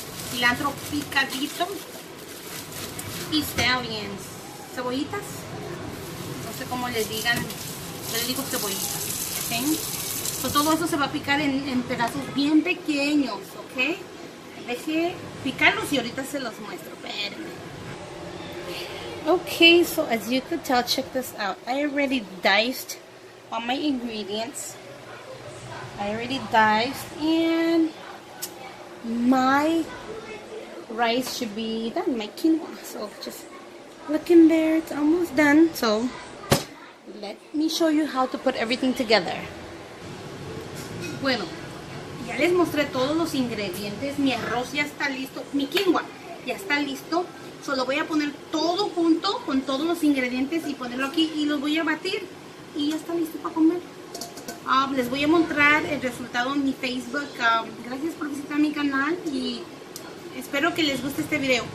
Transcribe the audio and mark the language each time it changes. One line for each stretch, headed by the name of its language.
Spanish: Cilantro picadito. Y scallions. Cebollitas. No sé cómo les digan. Yo les digo cebollitas. Ok. So, todo eso se va a picar en pedazos bien pequeños. Ok. Deje picarlos y ahorita se los muestro. Espérenme.
English: Okay, so as you could tell, check this out. I already diced all my ingredients. I already diced and my rice should be done, my quinoa. So just look in there, it's almost done. So let me show you how to put everything together.
Spanish: Bueno, ya les mostré todos los ingredientes. Mi arroz ya está listo, mi quinoa ya está listo. Solo voy a poner todo junto con todos los ingredientes y ponerlo aquí y los voy a batir y ya está listo para comer. Les voy a mostrar el resultado en mi Facebook. Gracias por visitar mi canal y espero que les guste este video.